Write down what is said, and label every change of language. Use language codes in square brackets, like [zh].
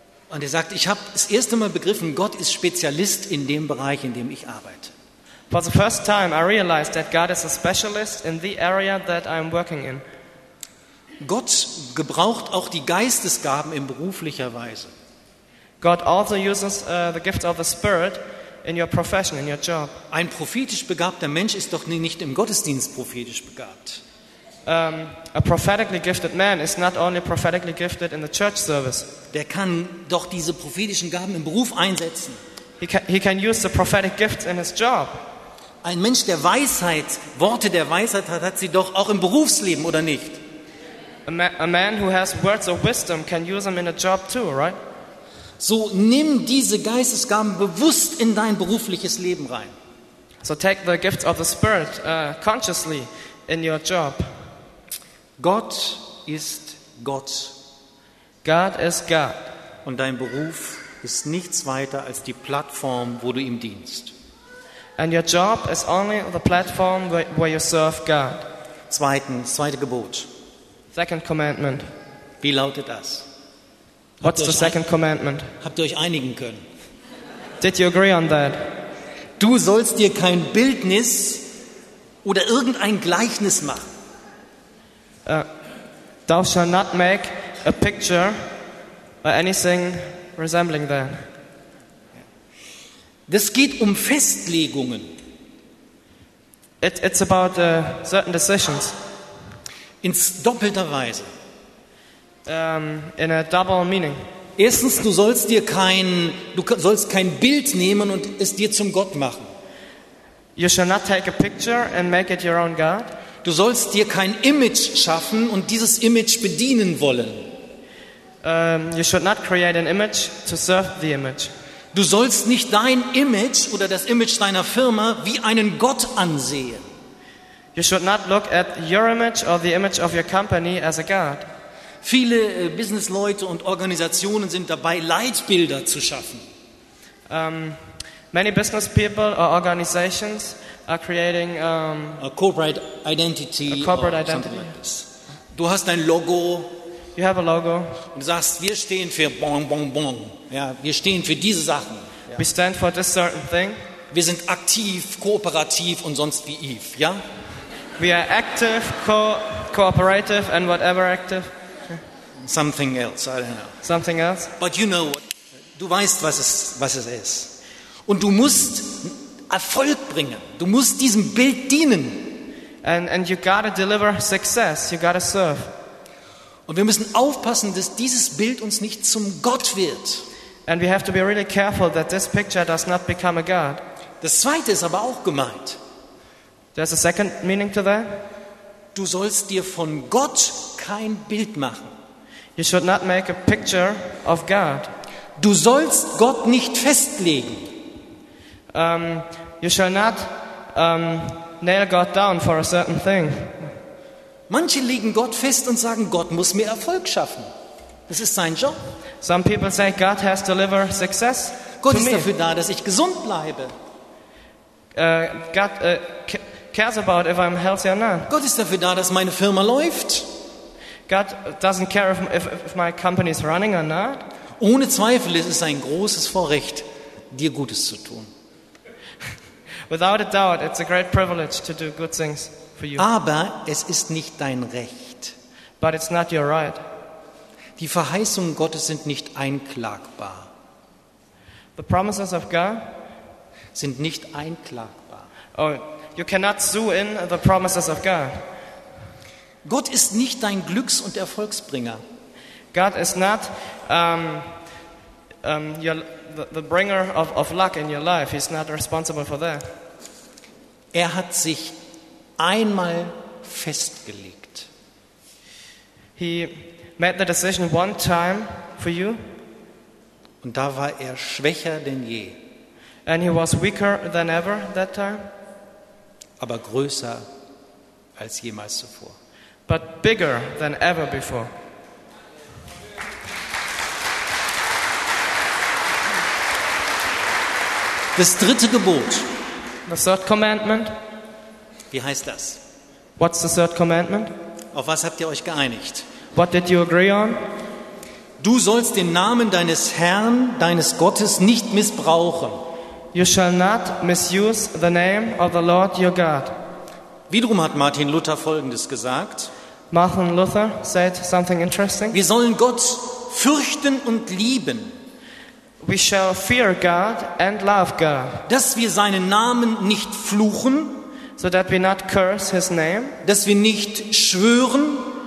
[de] Und er sagt, ich habe das erste Mal begriffen, Gott ist Spezialist in dem Bereich, in dem ich arbeite. [en] For the first time I realized that God is a specialist in the area that I'm working in. [de] Gott gebraucht auch die Geistesgaben in beruflicher Weise. [en] God also uses the gifts of the Spirit in your profession, in your job. [de] Ein prophetisch begabter Mensch ist doch nicht im Gottesdienst prophetisch begabt. [en] A prophetically gifted man is not only prophetically gifted in the church service. [de] Der kann doch diese prophetischen Gaben im Beruf einsetzen. [en] He can use the prophetic gifts in his job. [de] Ein Mensch, der Weisheit, Worte der Weisheit hat, hat sie doch auch im Berufsleben, oder nicht? [en] A man who has words of wisdom can use them in a job too, right? [de] So, nimm diese Geistesgaben bewusst in dein berufliches Leben rein. [en] So take the gifts of the Spirit consciously in your job. [de] Gott ist Gott. [en] God is God. [de] Und dein Beruf ist nichts weiter als die Plattform, wo du ihm dienst. [en] And your job is only the platform where you serve God. [de] Zweite Gebot. [en] Second commandment. [de] Wie lautet das? [en] What's the second commandment? [de] Habt ihr euch einigen können? [en] Did you agree on that? [de] Du sollst dir kein Bildnis oder irgendein Gleichnis machen. [en] Thou shalt not make a picture or anything resembling that. [de] Das geht um Festlegungen. [en] It's about certain decisions. [de] In doppelter Weise. [en] In a double meaning. [de] Erstens, du sollst kein Bild nehmen und es dir zum Gott machen. [en] You shall not take a picture and make it your own God. [de] Du sollst dir kein Image schaffen und dieses Image bedienen wollen. [en] You should not create an image to serve the image. [de] Du sollst nicht dein Image oder das Image deiner Firma wie einen Gott ansehen. [en] You should not look at your image or the image of your company as a God. [de] Viele Businessleute und Organisationen sind dabei, Leitbilder zu schaffen. [en] Many business people or organizations are creating a corporate identity. Like this. [de] Du hast ein Logo. [en] You have a logo. [de] Du sagst, wir stehen für bon bon bon. Ja, wir stehen für diese Sachen. [en] We stand for this certain thing. [de] Wir sind aktiv, kooperativ und sonst wie Eve, ja? [en] We are active, cooperative and whatever active. Something else, I don't know. Something else. But you know what? [de] Du weißt, was es ist. Und du musst Erfolg bringen. Du musst diesem Bild dienen. [en] And you gotta deliver success. You gotta serve. [de] Und wir müssen aufpassen, dass dieses Bild uns nicht zum Gott wird. [en] And we have to be really careful that this picture does not become a God. [de] Das zweite ist aber auch gemeint. [en] There's a second meaning to that. [de] Du sollst dir von Gott kein Bild machen. [en] You should not make a picture of God. [de] Du sollst Gott nicht festlegen. [en] You shall not nail God down for a certain thing. [de] Manche legen Gott fest und sagen, Gott muss mir Erfolg schaffen. Das ist sein Job. [en] Some people say God has to deliver success. [de] Gott ist dafür da, dass ich gesund bleibe. [en] God cares about if I'm healthy or not. [de] Gott ist dafür da, dass meine Firma läuft. [en] God doesn't care if my company is running or not. [de] Ohne Zweifel ist es ein großes Vorrecht, dir Gutes zu tun. [en] Without a doubt, it's a great privilege to do good things for you. [de] Aber es ist nicht dein Recht. [en] But it's not your right. [de] Die Verheißungen Gottes sind nicht einklagbar. [en] The promises of God [de] sind nicht einklagbar. [en] Oh, you cannot sue in the promises of God. [de] Gott ist nicht dein Glücks- und Erfolgsbringer. [en] God is not the bringer of luck in your life. He's not responsible for that. [de] Er hat sich einmal festgelegt. [en] He made the decision one time for you. [de] Und da war er schwächer denn je. [en] And he was weaker than ever that time. [de] Aber größer als jemals zuvor. [en] But bigger than ever before. [de] Das dritte Gebot. [en] The third commandment. [de] Wie heißt das? [en] What's the third commandment? [de] Auf was habt ihr euch geeinigt? [en] What did you agree on? [de] Du sollst den Namen deines Herrn, deines Gottes nicht missbrauchen. [en] You shall not misuse the name of the Lord your God. [de] Wiederum hat Martin Luther Folgendes gesagt. [en] Martin Luther said something interesting. [de] Wir sollen Gott fürchten und lieben. [en] We shall fear God and love God. [de] Dass wir seinen Namen nicht fluchen. [en] So that we not curse his name. [de] Dass wir nicht schwören.